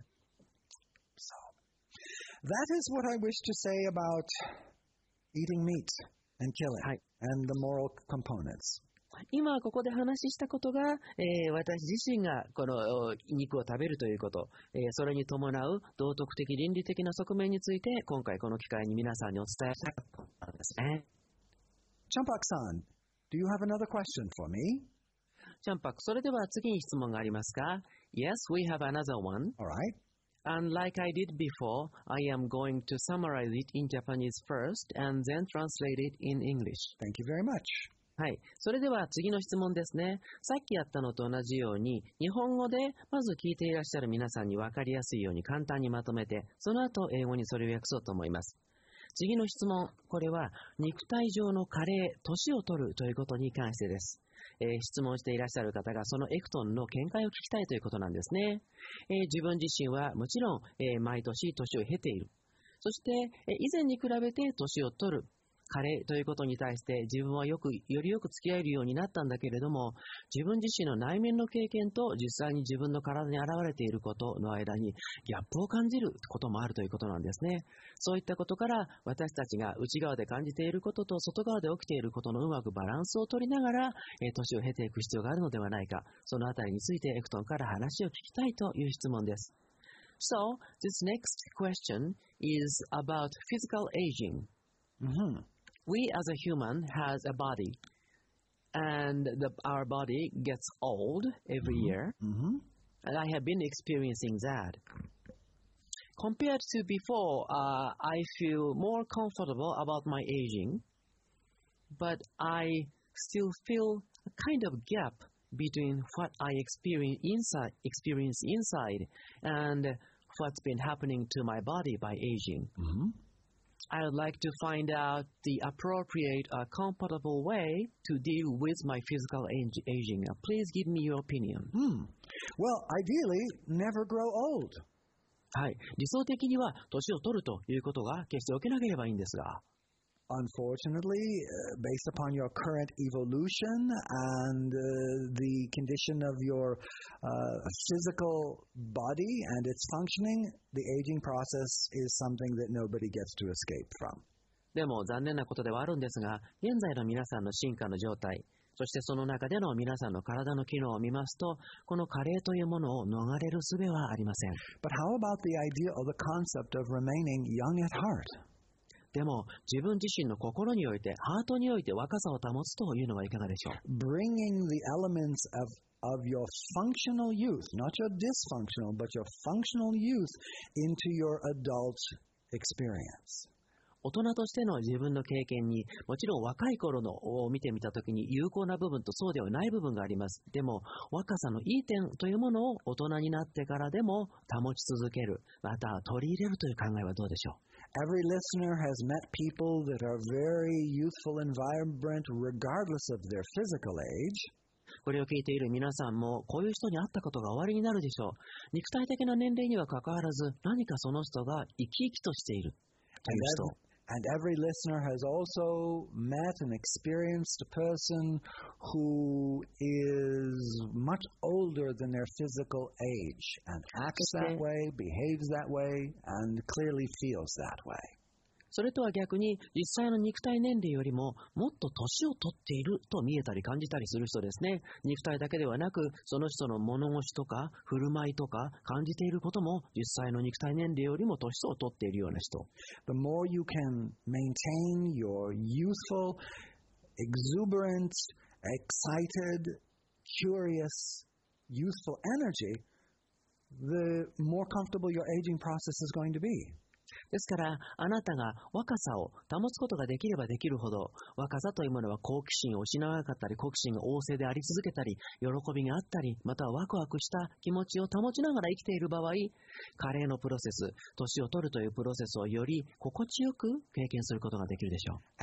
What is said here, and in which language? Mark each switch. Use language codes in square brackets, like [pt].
[en] So, that is what I wish to say about eating meat and killing、 [ja] はい、 [en] and the moral components. [ja] 今ここで話したことが、私自身がこの肉を食べるということ、それに伴う道徳的倫理的な側面について今回この機会に皆さんにお伝えしたことなんですね。 [en] Champak-san, do you have another question for me? [ja] Champak, それでは次に質問がありますか? [en] Yes, we have another one. All right. And like I did before, I am going to summarize it in Japanese first and then translate it in English. Thank you very much. [ja] はい、それでは次の質問ですね。さっきやったのと同じように、日本語でまず聞いていらっしゃる皆さんに分かりやすいように簡単にまとめて、その後英語にそれを訳そうと思います。次の質問、これは肉体上の加齢、年を取るということに関してです。質問していらっしゃる方がそのエクトンの見解を聞きたいということなんですね。自分自身はもちろん、毎年年を経ている。そして、以前に比べて年を取る、加齢ということに対して自分はよく、よりよく付き合えるようになったんだけれども、自分自身の内面の経験と実際に自分の体に現れていることの間にギャップを感じることもあるということなんですね。そういったことから私たちが内側で感じていることと外側で起きていることのうまくバランスを取りながら、年を経ていく必要があるのではないか、そのあたりについてエクトンから話を聞きたいという質問です。 [en] So, this next question is about physical aging. Mm-hmm. We as a human has a body, and our body gets old every year. Mm-hmm. And I have been experiencing that. Compared to before, I feel more comfortable about my aging, but I still feel a kind of gap between what I experience inside and what's been happening to my body by aging. Mm-hmm. I would like to find out the appropriate, comfortable way to deal with my physical aging. Please give me your opinion. Well, ideally, never grow old. [ja] はい、理想的には年を取るということが決して起きなければいいんですが。 [en] unfortunately, based upon your current evolution and the condition of your physical body and its functioning, the aging process is something that nobody gets to escape from. [ja] でも残念なことではあるんですが、現在の皆さんの進化の状態、そしてその中での皆さんの体の機能を見ますと、この加齢というものを逃れる術はありません。 [en] But how about the idea or the concept of remaining young at heart? [ja] でも自分自身の心においてハートにおいて若さを保つというのはいかがでしょう。 [en] Bringing the elements of your functional youth, not your dysfunctional, but your functional youth into your adult experience. [ja] 大人としての自分の経験にもちろん若い頃のを見てみたときに有効な部分とそうではない部分があります。でも若さのいい点というものを大人になってからでも保ち続ける、または取り入れるという考えはどうでしょう。 [en] Every listener has met people that are very youthful and vibrant regardless of their physical age. [ja] これを聞いている皆さんもこういう人に会ったことがおありになるでしょう。肉体的な年齢にはかかわらず何かその人が生き生きとしているという人。 [en] And every listener has also met an experienced person who is much older than their physical age and acts that way, behaves that way, and clearly feels that way. [ja] それとは逆に、実際の肉体年齢よりももっと年を取っていると見えたり感じたりする人ですね。肉体だけではなく、その人の物腰とか振る舞いとか感じていることも実際の肉体年齢よりも年を取っているような人。 [en] The more you can maintain your youthful, exuberant, excited, curious, youthful energy, the more comfortable your aging process is going to be. [ja] ですから、あなたが若さを保つことができればできるほど、若さというものは好奇心を失わなかったり、好奇心が旺盛であり続けたり、喜びがあったり、またはワクワクした気持ちを保ちながら生きている場合、加齢のプロセス、年を取るというプロセスをより心地よく経験することができるでしょう。